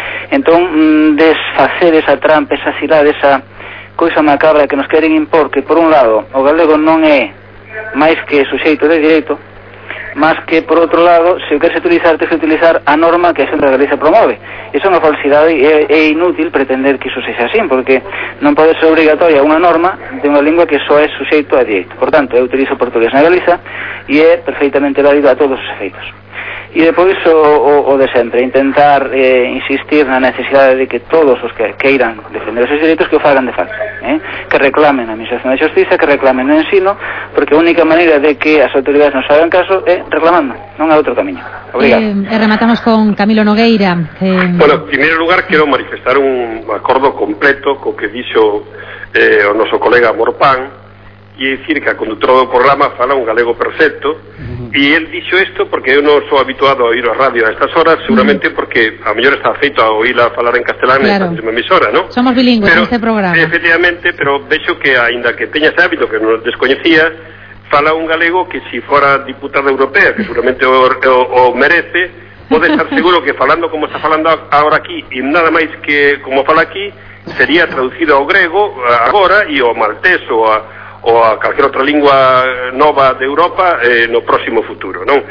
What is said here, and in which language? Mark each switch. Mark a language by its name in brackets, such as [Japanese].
[Galician] Entón, desfacer esa trampa, esa cilada, esa coisa macabra que nos queren impor, que por un lado o galego non é máis que suxeito de direito, mas que por outro lado, se o queres utilizar, tens que utilizar a norma que a Xunta de Galiza promove. Iso é unha falsidade e é inútil pretender que iso sexa así, porque non pode ser obrigatoria unha norma de unha lingua que só é suxeito a direito. Por tanto, eu utilizo o portugués na Galiza e é perfeitamente válido a todos os efeitos. E depois o de sempre, intentar insistir na necesidade de que todos os que queiran defender os seus direitos que o fagan de facto, que reclamen a Administración de Justiza, que reclamen o ensino, porque a única maneira de que as autoridades nos fagan caso é reclamando, non hai outro camiño. Obrigado. Rematamos con Camilo Nogueira. Bueno, en primeiro lugar, quero manifestar un acordo completo co que dixo o noso colega Morpán, e dicir que a conductora do programa fala un galego perfecto, e el dixo isto porque eu non sou habituado a oír a radio a estas horas, seguramente porque a mellor está afeito a oíla falar en castelán, claro, [Spanish] en esta misma emisora, ¿no? Somos bilingües en este programa. [Galician] Efectivamente, pero vexo que, ainda que teña ese hábito que non desconhecía, fala un galego que si fora diputada europea, que seguramente o merece, pode estar seguro que falando como está falando ahora aquí, e nada máis que como fala aquí, sería traducido ao grego agora, e ao maltés, ou a calquer outra lingua nova de Europa no próximo futuro, non?